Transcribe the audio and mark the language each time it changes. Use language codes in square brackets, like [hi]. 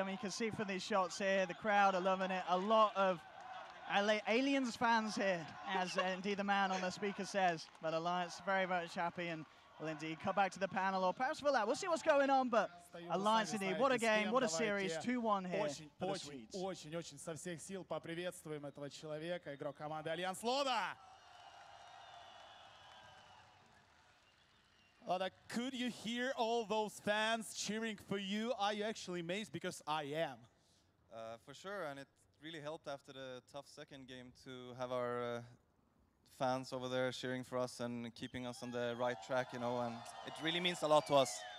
[en] I mean, you can see from these shots here, the crowd are loving it. A lot of Aliens fans here, as indeed the man on the speaker says. But Alliance very, very happy, and will indeed come back to the panel, or perhaps for that. We'll see what's going on, but Alliance indeed, what a game, what a series, 2-1 here for the Swedes. [ru] Очень-очень со всех сил поприветствуем этого человека, игрок команды Альянс Лода. [en] Lada, could you hear all those fans cheering for you? Are you actually amazed? Because I am. For sure, and it really helped after the tough second game to have our fans over there cheering for us and keeping us on the right track, you know, and it really means a lot to us.